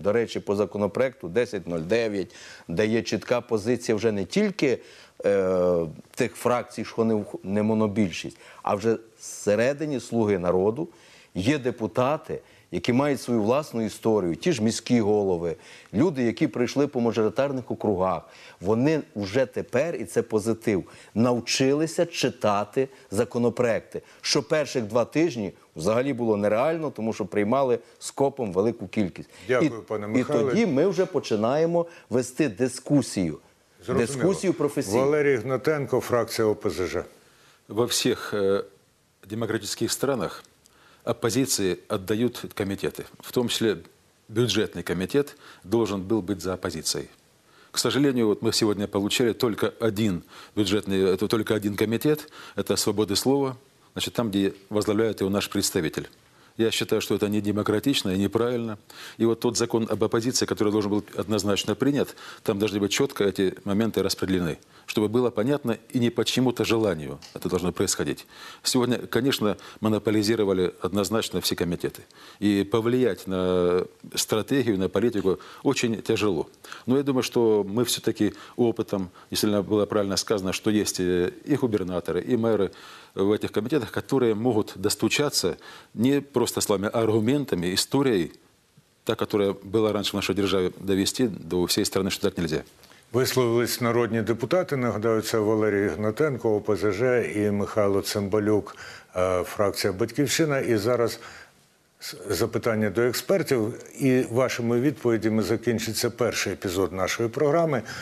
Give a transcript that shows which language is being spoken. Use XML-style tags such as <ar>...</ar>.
<uk>До речі, по законопроекту 1009, де є чітка позиція вже не тільки тих фракцій, що не монобільшість, а вже всередині «Слуги народу» є депутати, які мають свою власну історію, ті ж міські голови, люди, які прийшли по мажоритарних округах, вони вже тепер, і це позитив, навчилися читати законопроекти. Що перших два тижні взагалі було нереально, тому що приймали скопом велику кількість. Дякую, пане Михайле. І тоді ми вже починаємо вести дискусію. Зрозуміло. Дискусію професійну. Валерій Гнатенко, фракція ОПЗЖ.</uk> <ru>Во всіх демократичних странах оппозиции отдают комитеты. В том числе бюджетный комитет должен был быть за оппозицией. К сожалению, вот мы сегодня получили только один бюджетный, это только один комитет, это «Свободы слова», значит, там, где возглавляет его наш представитель. Я считаю, что это не демократично и неправильно. И вот тот закон об оппозиции, который должен был однозначно принят, там должны быть четко эти моменты распределены, чтобы было понятно и не по чьему-то желанию это должно происходить. Сегодня, конечно, монополизировали однозначно все комитеты. И повлиять на стратегию, на политику очень тяжело. Но я думаю, что мы все-таки опытом, действительно было правильно сказано, что есть и губернаторы, и мэры в этих комитетах, которые могут достучаться не просто словами, а аргументами, историей, та, которая была раньше в нашей державе, довести до всей страны, что так нельзя.</ru> <uk>Висловились народні депутати, нагадаю, це Валерій Гнатенко, ОПЗЖ, і Михайло Цимбалюк, фракція «Батьківщина». І зараз запитання до експертів, і вашими відповідями закінчиться перший епізод нашої програми.</uk>